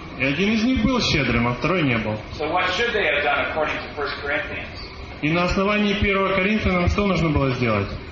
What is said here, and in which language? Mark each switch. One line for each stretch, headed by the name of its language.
Russian: И один из них был щедрым, а второй не был.
English: So what should they have done according to 1 Corinthians?
Russian: И на основании 1 Коринфянам что нужно было сделать?